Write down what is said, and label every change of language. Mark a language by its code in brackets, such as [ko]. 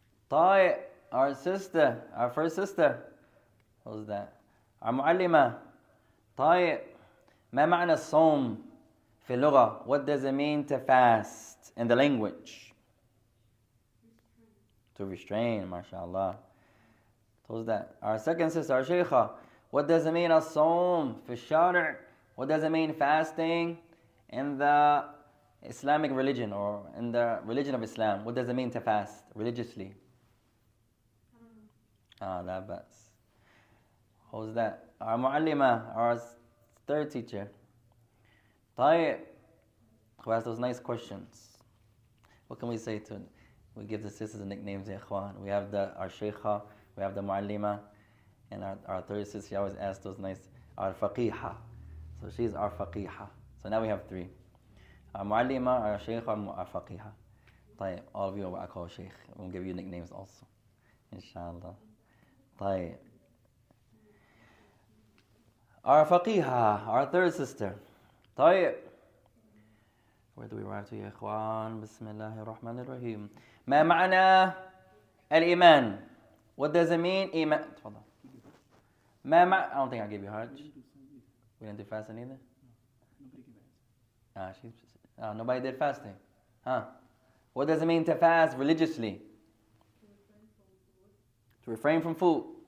[en] طيب, our sister, our first sister. Who's that? Our معلمة. [ar] طيب, ما معنى الصوم في اللغة? [en] What does it mean to fast in the language? To restrain, mashallah. Who's that? Our second sister, our Sheikha. What does it mean, [ar] الصوم في الشارع? [en] What does it mean, fasting in the Islamic religion or in the religion of Islam? What does it mean to fast religiously? That's. Who's that? Our mu'allima, our third teacher. طيب, who asked those nice questions. What can we say to him? We give the sisters the nicknames, [ar] يا إخوان. [en] We have our sheikha, we have the mu'allima, and our third sister, she always asked those nice, our faqiha. So she's our faqiha. So now we have three. Our mu'allima, our sheikha, our faqiha. طيب, all of you are what I call sheikh. We'll give you nicknames also. Inshallah. طيب. Our faqiha, our third sister. طيب. Where do we write to, [ar] يا إخوان؟ بسم الله الرحمن الرحيم. ما معنى الإيمان؟ [en] What does it mean, [ar] إيمان؟ تفضل. ما مع... [en] I don't think I gave you hard. We didn't do fasting either. Nobody did fasting. Huh? What does it mean to fast religiously? To refrain from food.